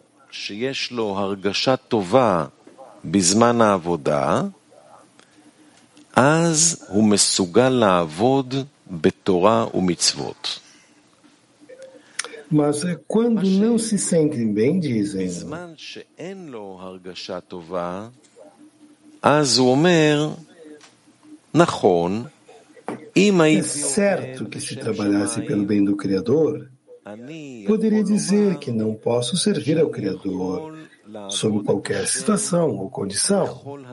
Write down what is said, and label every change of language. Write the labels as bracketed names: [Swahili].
[Hebrew] שיש לו הרגשה טובה בזמן העבודה, אז הוא מסוגל לעבוד בתורה ומצוות. [Portuguese] Mas é quando não se sentem bem, dizem. [Hebrew] בזמן שאין לו הרגשה טובה, אז הוא אומר, נכון, אם הייתי עובד... [Portuguese] É certo que se trabalhasse pelo bem do Criador, poderia dizer que não posso servir ao Criador sob qualquer situação ou condição.